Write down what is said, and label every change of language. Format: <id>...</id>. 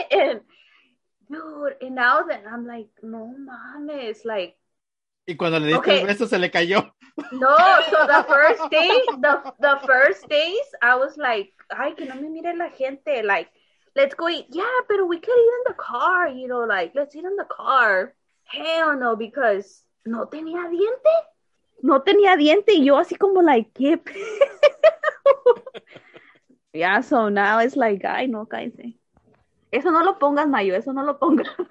<en>And, dude, and now that I'm like,</en> <es>no mames,</es> <en>like,</en> <es>y cuando le diste el beso, se le cayó.</es> <en>No, so the first day, the first days, I was like,</en> <es>ay, que no me mire la gente.</es> <en>Like, let's go eat. Yeah, pero we could eat in the car, you know, like, let's eat in the car. Hell no, because</en> <es>no tenía diente. No tenía diente. Y yo así como like, ¿qué?</es> <en>Yeah, so now it's like,</en> <es>ay, no, cállense. Eso no lo pongas, Mayo, eso no lo pongas.</es>